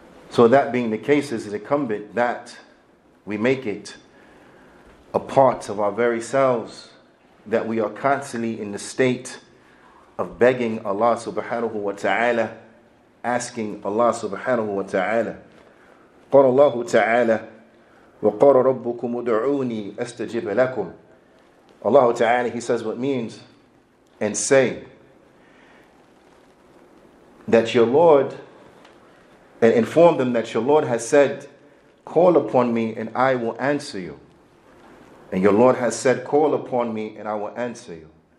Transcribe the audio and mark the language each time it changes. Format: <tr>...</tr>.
<en>So that being the case, it is incumbent that we make it a part of our very selves, that we are constantly in the state of begging Allah subhanahu wa ta'ala, asking Allah subhanahu wa ta'ala.</en> <ar>قال الله تعالى وقال ربكم ادعوني استجب لكم.</ar> <en>Allah ta'ala, He says what means, and say that your Lord, and inform them that your Lord has said, call upon me and I will answer you. And your Lord has said, call upon me and I will answer you.</en>